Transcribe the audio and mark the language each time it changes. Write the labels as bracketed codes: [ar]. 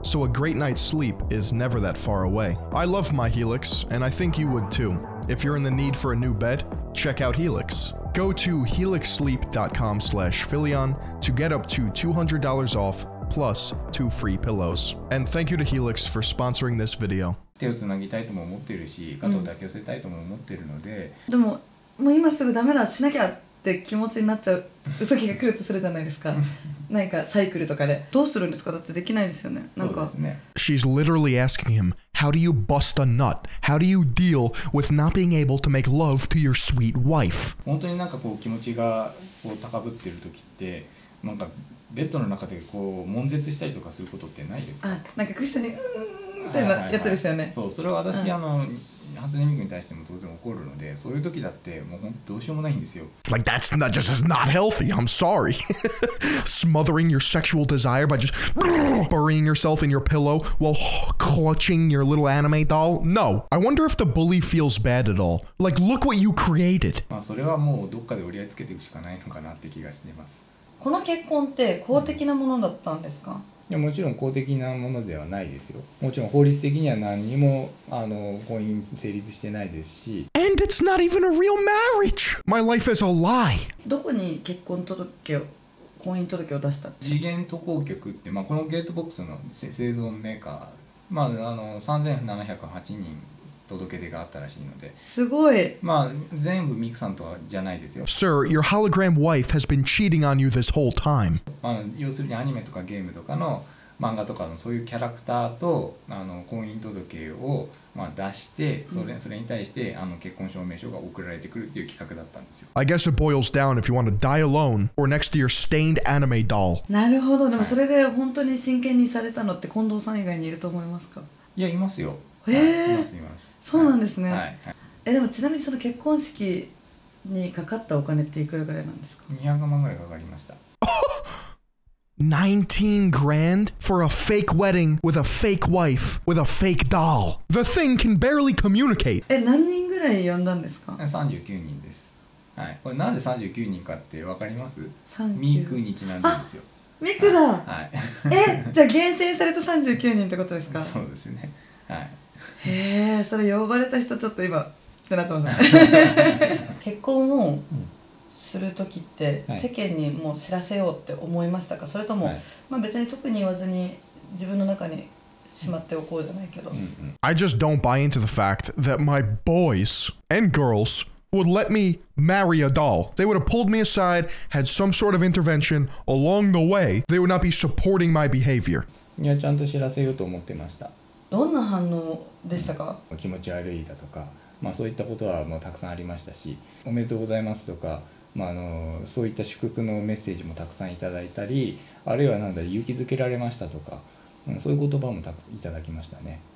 [en] So a great night's sleep is never that far away. I love my Helix, and I think you would too. If you're in the need for a new bed, check out Helix. Go to helixsleep.com/philion to get up to $200 off plus 2 free pillows. And thank you to Helix for sponsoring this video. [ja] 手をつなぎたいとも思ってるし、加藤だけ寄せたいとも思ってるので、うん、でも、もう今すぐダメだ、しなきゃって気持ちになっちゃう時が来るとするじゃないですか。なんかサイクルとかで。どうするんですか？だってできないですよね。なんか。そうですね。 [en] She's literally asking him, how do you bust a nut? How do you deal with not being able to make love to your sweet wife? [ja] 本当になんかこう気持ちがこう高ぶってる時って、なんかベッドの中でこう悶絶したりとかすることってないですか？あ、なんかクッションにみたいなやつですよね。ははい、そう、それは私、うん、あの初音ミクに対しても当然起こるので、そういう時だってもうどうしようもないんですよ。 [en] Like that's not just not healthy. I'm sorry. Smothering your sexual desire by just burying yourself in your pillow while clutching your little anime doll. No. I wonder if the bully feels bad at all. Like look what you created. [ja] まあそれはもうどっかで折り合いつけていくしかないのかなって気がしてます。この結婚って公的なものだったんですか？いやもちろん公的なものではないですよ。もちろん法律的には何にもあの婚姻成立してないですし。 [en] And it's not even a real marriage! My life is a lie! [ja] どこに結婚届を、婚姻届を出したって？次元渡航局って、まあ、このゲートボックスの製造メーカー、まあ、あの3708人届け出があったらしいので。すごい。まあ、全部ミクさんとはじゃないですよ。 [en] Sir, your hologram wife has been cheating on you this whole time. [ja] まあ、要するにアニメとかゲームとかの漫画とかのそういうキャラクターとあの婚姻届を、まあ、出してそれに対してあの結婚証明書が送られてくるっていう企画だったんですよ。 [en] I guess it boils down if you want to die alone or next to your stained anime doll. [ja] なるほど。でもそれで本当に真剣にされたのって近藤さん以外にいると思いますか？いや、いますよ。はい、そうなんですね、はいはい、でもちなみにその結婚式にかかったお金っていくらぐらいなんですか？ 200万ぐらいかかりました。 [en] 19 grand for a fake wedding with a fake wife with a fake doll. The thing can barely communicate. [ja] 何人ぐらい呼んだんですか？ 39人です。はい、これなんで39人かってわかります？ミクにちなんでですよ。ミクだ、はいはい、じゃあ厳選された39人ってことですか？そうですね、はい。へー、それ呼ばれた人ちょっと今ってなってます。結婚をする時って世間にもう知らせようって思いましたか？それとも、はい、まあ、別に特に言わずに自分の中にしまっておこうじゃないけど。 [en] I just don't buy into the fact that my boys and girls would let me marry a doll. They would have pulled me aside, had some sort of intervention along the way. They would not be supporting my behavior. [ja] いや、ちゃんと知らせようと思ってました。どんな反応でしたか？うん、気持ち悪いだとか、まあ、そういったことはもうたくさんありましたし、おめでとうございますとか、まあ、あのそういった祝福のメッセージもたくさんいただいたり、あるいはなんだ勇気づけられましたとか、うん、そういう言葉もたくさんいただきましたね。